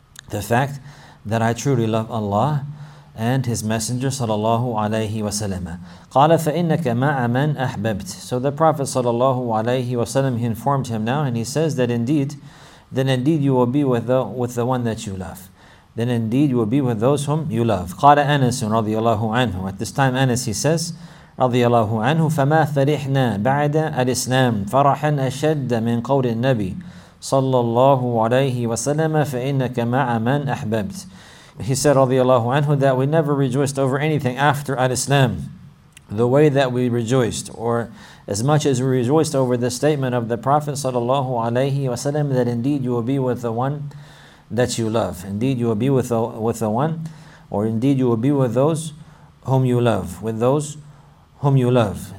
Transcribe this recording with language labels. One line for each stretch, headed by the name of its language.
English: The fact that I truly love Allah and His Messenger sallallahu alayhi wa sallam.
Arabic: قَالَ فَإِنَّكَ مَعَ مَنْ أَحْبَبْتِ.
English: So the Prophet sallallahu alayhi wa sallam, he informed him now, and he says that indeed you will be with the one that you love. Then indeed you will be with those whom you love.
Arabic: قَالَ أَنَسُ رَضِيَ anhu.
English: At this time Anas, he says,
Arabic: radiallahu anhu, فَمَا فَرِحْنَا بَعْدَ الْإِسْلَامِ فَرَحًا أَشَدَّ مِنْ قَوْلِ النَّبِيِّ صَلَّى اللَّهُ عَلَيْهِ وَسَلَّمَ فَإِنَّكَ مَعَ مَنْ أَحْبَبْتِ.
English: He said, radiallahu anhu, that we never rejoiced over anything after al-Islam the way that we rejoiced, or as much as we rejoiced over the statement of the Prophet sallallahu alayhi wa sallam, that indeed you will be with the one that you love. Indeed you will be with the one, or indeed you will be with those whom you love, with those whom you love.